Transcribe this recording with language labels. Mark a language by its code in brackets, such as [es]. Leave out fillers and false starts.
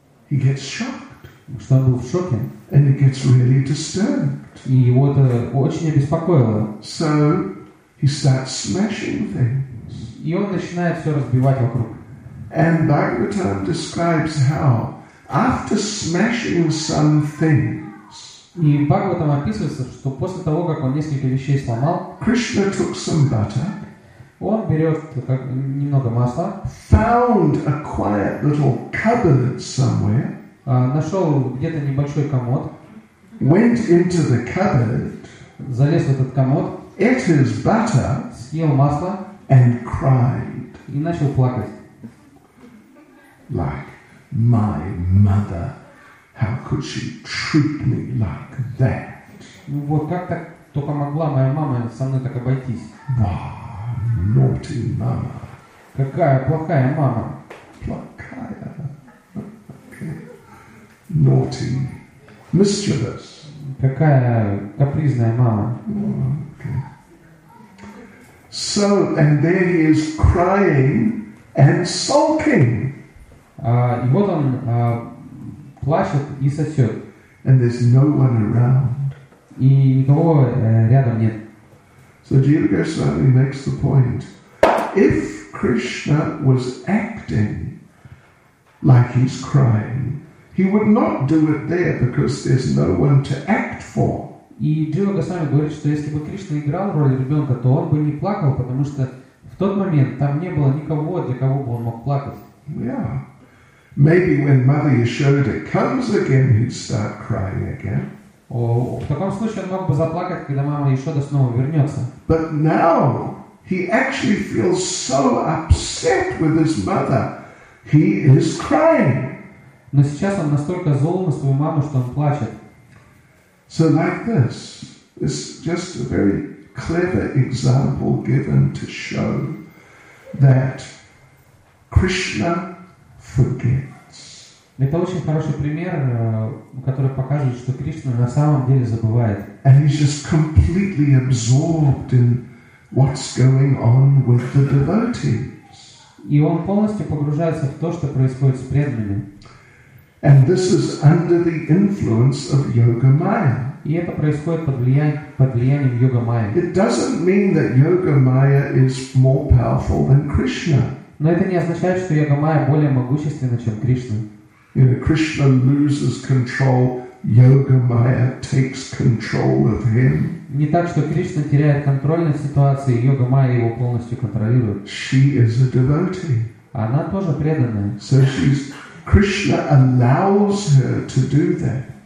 [en] He gets shocked. [ru] Что он был в шоке. [en] And he gets really disturbed. [ru] И его это очень обеспокоило. [en] So he starts smashing things. [ru] И он начинает все разбивать вокруг. [en] And Bhagavatam describes how after smashing some things. [ru] И Бхагаватам описывается, что после того, как он несколько вещей сломал, [en] Krishna took some butter. [ru] Он берет немного масла. [en] Found a quiet little cupboard somewhere. [ru] Нашел где-то небольшой комод. [en] Went into the cupboard. [ru] Залез в этот комод. [en] Ate his butter. [ru] Съел масло. [en] And cried. [ru] И начал плакать. [en] Like my mother, how could she treat me like that? [ru] Ну вот как так только могла моя мама со мной так обойтись? [en] Wow. Naughty mama. [ru] Какая плохая мама. Плохая. [en] Okay. Naughty. Mischievous. [ru] Какая капризная мама. [en] Okay. So, and there he is crying and sulking. [ru] И вот он плачет и сосет. [en] And there's no one around. [ru] И никого рядом нет. [en] So Jiva Goswami makes the point: if Krishna was acting like he's crying, he would not do it there because there's no one to act for. [ru] И Джива Госвами говорит, что если бы Кришна играл роль ребенка, то он бы не плакал, потому что в тот момент там не было никого, для кого бы он мог плакать. [en] Yeah. Maybe when Mother Yashoda comes again, he'd start crying again. [ru] В таком случае он мог бы заплакать, когда мама Яшода снова вернется. [en] But now he actually feels so upset with his mother, he is crying. [ru] Но сейчас он настолько зол на свою маму, что он плачет. [en] So like this, it's just a very clever example given to show that Krishna forgets. [ru] Это очень хороший пример, который показывает, что Кришна на самом деле забывает. [en] And he's just completely absorbed in what's going on with the devotees. [ru] И он полностью погружается в то, что происходит с преданными. [en] And this is under the influence of Yoga Maya. [ru] И это происходит под влиянием Йога Майя. [en] It doesn't mean that Yoga Maya is more powerful than Krishna. [ru] Но это не означает, что Йога Майя более могущественна, чем Кришна. [en] You know, Krishna loses control, Yoga Maya takes control of him. [ru] Не так, что Кришна теряет контроль над ситуацией, Йога Майя его полностью контролирует. [en] She is a devotee. [ru] Она тоже преданная. [en] So she's Krishna allows her to do that.